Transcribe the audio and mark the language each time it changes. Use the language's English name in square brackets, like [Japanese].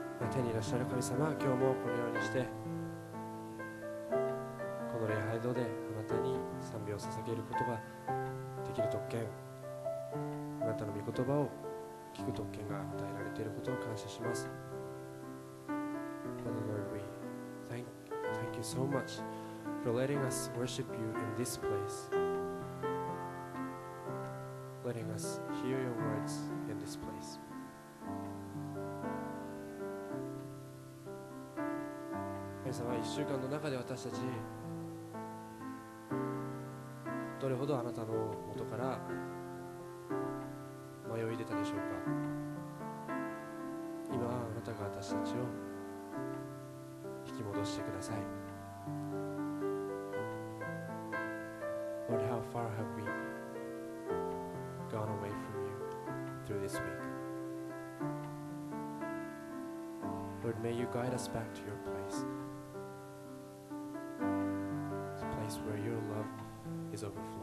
[Japanese] 天にいらっしゃる神様、今日もこのようにしてこの礼拝堂であなたに賛美を捧げることができる特権、あなたの御言葉を聞く特権が与えられていることを感謝します。 [English] Father Lord, we thank you so much for letting us worship you in this place, letting us hear your words in this place. [Japanese] 神様、1週間の中で私たちどれほどあなたの元から迷い出たでしょうか。今あなたが私たちを引き戻してください。 [English] Lord, how far have we gone away from you through this week? Lord, may you guide us back to your placeWhere your love is overflowing.